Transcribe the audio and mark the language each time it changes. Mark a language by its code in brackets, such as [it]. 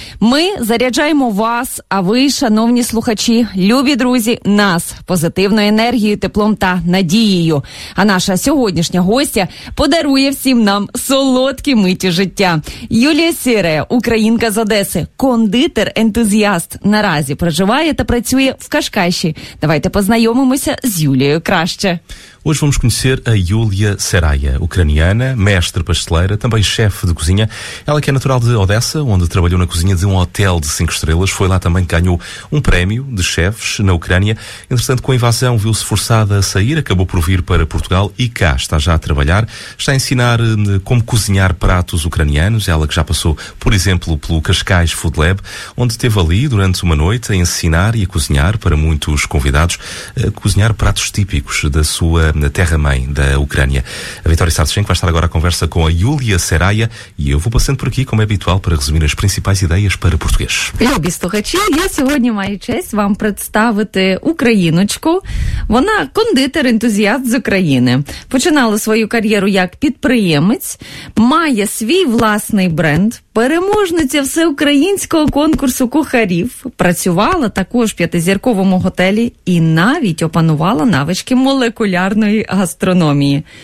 [uk] Ми заряджаємо вас, а ви, шановні слухачі, любі друзі, нас позитивною енергією, теплом та надією. А наша сьогоднішня гостя подарує всім нам солодкі миті життя. Юлія Сірея, українка з Одеси, кондитер-ентузіаст, наразі проживає та працює в Кашкайі. Давайте познайомимося з Юлією краще. [pt] Hoje vamos conhecer a Yulia Seraya, ucraniana, mestre pasteleira, também chefe de cozinha. Ela que é natural de Odessa, onde trabalhou na cozinha de um hotel de 5 estrelas. Foi lá também que ganhou um prémio de chefes na Ucrânia. Entretanto, com a invasão, viu-se forçada a sair, acabou por vir para Portugal e cá está já a trabalhar. Está a ensinar como cozinhar pratos ucranianos. Ela que já passou, por exemplo, pelo Cascais Food Lab, onde esteve ali durante uma noite a ensinar e a cozinhar para muitos convidados, a cozinhar pratos típicos da sua na terra-mãe da Ucrânia. A Vitória Sartchenko vai estar agora à conversa com a Yulia Seraya e eu vou passando por aqui, como é habitual, para resumir as principais ideias para português. [uk] Любі слухачі, я сьогодні маю честь вам представити україночку. Вона кондитер-ентузіаст з України. Починала свою кар'єру як підприємець, має свій власний бренд, переможниця всеукраїнського конкурсу кухарів, працювала також в п'ятизірковому готелі і навіть опанувала навички молекуляр гастрономії.